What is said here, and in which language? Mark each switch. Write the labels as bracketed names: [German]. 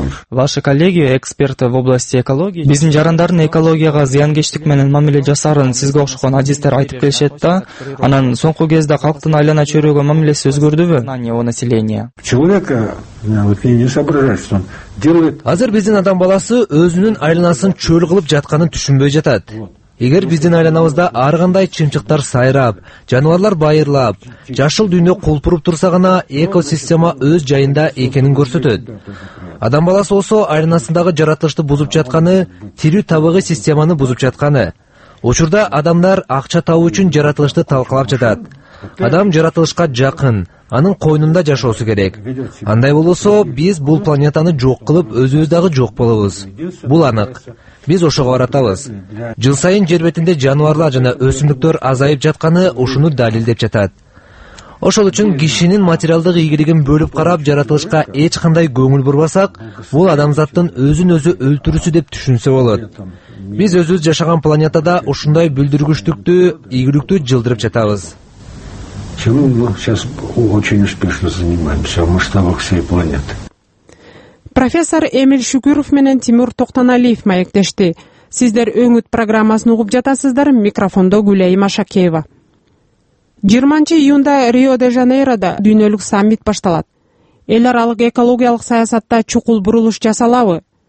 [Russian] Ваши коллеги, эксперты в области экологии, [Kyrgyz] биздин жарандардын экологияга зыянкечтик менен мамиле жасаарын сизге окшогон адистер айтып келишет да, анан соңку кезде калктын айлана чөйрөгө мамилеси өзгөрдүбү? [Russian] Человека не соображает, что он делает. [Kyrgyz] Азыр биздин адам баласы өзүнүн айланасын чөл кылып жатканын түшүнбөй жатат. Эгер биздин айланабызда ар кандай чымчыктар сайрап, жаныбарлар байырлап, жашыл дүйнө кулпуруп турса гана экосистема өз жайында экенин көрсөтөт. Адам баласы болсо айланасындагы жаратылышты бузуп жатканы, тирүү табыгый системаны бузуп жатканы. Учурда адамдар акча табуу үчүн жаратылышты талкалап жатат. Адам жаратылышка жакын, анын койнунда жашоосу керек. Андай болсо, биз бул планетаны жок кылып, өзүбүз дагы жок болобуз. Бул анык. Биз ошого баратабыз. Жыл сайын жер бетинде жаныбарлар жана өсүмдүктөр азайып жатканы ушуну далилдеп жатат. Ошол үчүн кишинин материалдык ийгилигин бөлүп карап, жаратылышка эч кандай көңүл бурбасак, бул адамзаттын өзүн өзү өлтүрүүсү деп түшүнсө болот. Биз өзүбүз жашаган планетада ушундай бүлдүргүчтүктү, ийгиликтүү жылдырып жатабыз. [Russian] Чем мы сейчас очень успешно занимаемся в масштабах всей планеты. [Kyrgyz] Профессор Эмиль Шүкүров менен Тимур Токтоналиев маектешти. Сиздер өңүт программасын угуп жатасыздар. Микрофондо Гүлайым Ашакеева. 20 июнда Рио-де-Жанейрода дүйнөлүк саммит башталат. Эл аралык экологиялык саясатта чукул бурулуш жасалабы?